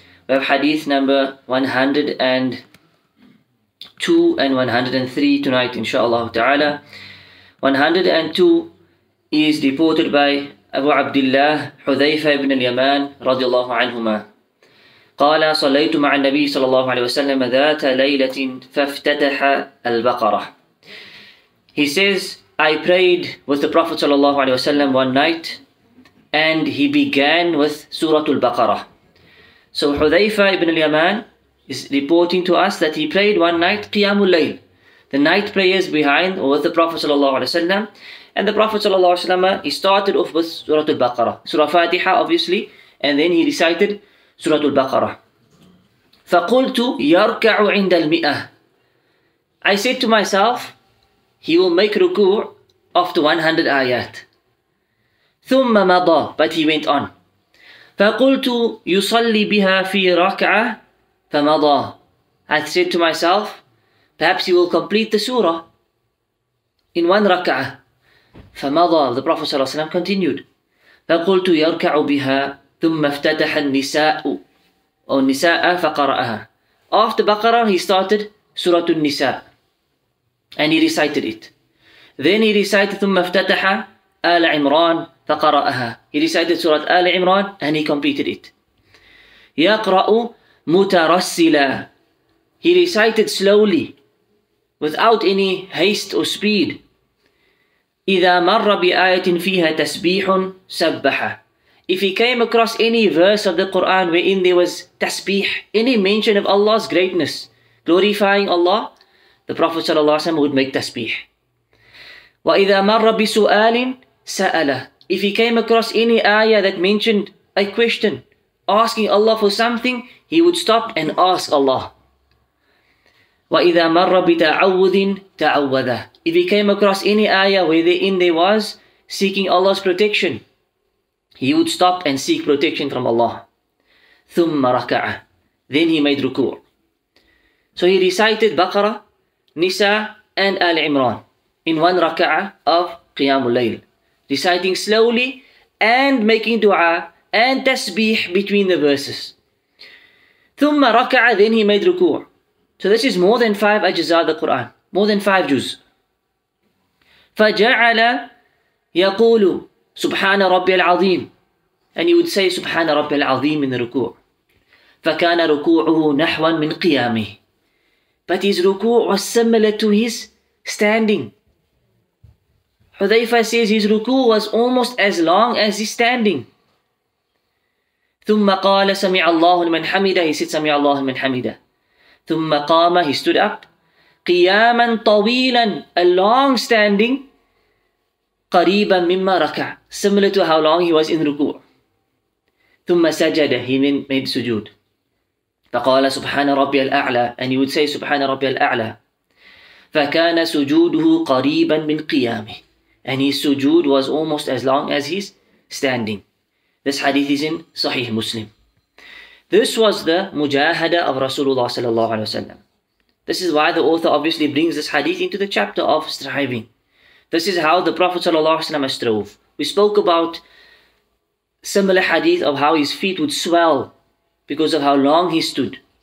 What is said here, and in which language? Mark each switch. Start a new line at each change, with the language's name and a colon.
English: We have hadith number 102 and 103 tonight, inshallah ta'ala. 102 is reported by
Arabic: أبو عبد الله حذيفة بن اليمان رضي الله عنهما قال صليت مع النبي صلى الله عليه وسلم ذات ليلة فافتتح البقرة.
English: He says, I prayed with the Prophet صلى الله عليه وسلم one night and he began with سورة البقرة. So حذيفة بن اليمان is reporting to us that he prayed one night قيام الليل, the night prayers behind or with the Prophet صلى الله عليه وسلم. And the Prophet sallallahu alaihi wasallam, he started off with Surah Al-Baqarah, Surah Fatiha obviously, and then he recited Surah Al-Baqarah.
Arabic: فَقُلْتُ يَرْكَعُ عِنْدَ الْمِئَةِ.
English: I said to myself, he will make ruku' after 100 ayat.
Arabic: ثُمَّ مَضَى,
English: but he went on.
Arabic: فَقُلْتُ يُصَلِّ بِهَا فِي رَكْعَةِ فَمَضَى.
English: I said to myself, perhaps he will complete the surah in one rak'ah.
Arabic: فَمَضَى,
English: the Prophet
Arabic: صلى الله عليه وسلم
English: continued.
Arabic: فَقُلْتُ يَرْكَعُ بِهَا ثُمَّ افْتَتَحَ النِّسَاءُ أو النِّسَاءَ فَقَرَأَهَا.
English: After Baqarah, he started Surah Al-Nisa and he recited it. Then he recited
Arabic: ثُمَّ افْتَتَحَ آلَ عِمْرَان فَقَرَأَهَا.
English: He recited Surah آلَ عِمْرَان and he completed it.
Arabic: يَقْرَأُ مُتَرَسِّلًا.
English: He recited slowly without any haste or speed.
Arabic: إذا مر بآية فيها تسبيح سبحة.
English: If he came across any verse of the Quran wherein there was tasbih, any mention of Allah's greatness, glorifying Allah, the Prophet صلى الله عليه وسلم would make tasbih.
Arabic: وإذا مر بسؤال سأل.
English: If he came across any ayah that mentioned a question, asking Allah for something, he would stop and ask Allah.
Arabic: وإذا مر بتعوذ تعوذ.
English: If he came across any ayah wherein there was seeking Allah's protection, he would stop and seek protection from Allah.
Arabic: ثم ركع.
English: Then he made ركوع. So he recited Baqarah, Nisa and Al Imran in one raka'ah of Qiyamul Layl, reciting slowly and making dua and tasbih between the verses.
Arabic: ثم ركع.
English: Then he made ركوع. So this is more than five ajza of the Quran, more than five juz.
Arabic: فجعل يقول سبحان ربي العظيم.
English: And he would say
Arabic: سبحان ربي العظيم
English: in the ركوع.
Arabic: فكان ركوعه نحو من قيامه.
English: But his ركوع was similar to his standing. حذيفة says his ركوع was almost as long as his standing.
Arabic: ثم قال سمع الله لمن حمده.
English: He said
Arabic: سمع الله لمن حمده. ثم قام.
English: He stood up.
Arabic: قياما طويلا,
English: a long standing,
Arabic: قريبا مما ركع,
English: similar to how long he was in ركوع.
Arabic: ثم سجد.
English: He made
Arabic: سجود. فقال سبحان ربي الأعلى.
English: And he would say
Arabic: سبحان ربي الأعلى. فكان سجوده قريبا من قيامه.
English: And his سجود was almost as long as his standing. This hadith is in صحيح مسلم. This was the mujahada of Rasulullah sallallahu alaihi wasallam. This is why the author obviously brings this hadith into the chapter of striving. This is how the Prophet sallallahu alaihi wasallam strove. We spoke about similar hadith of how his feet would swell because of how long he stood.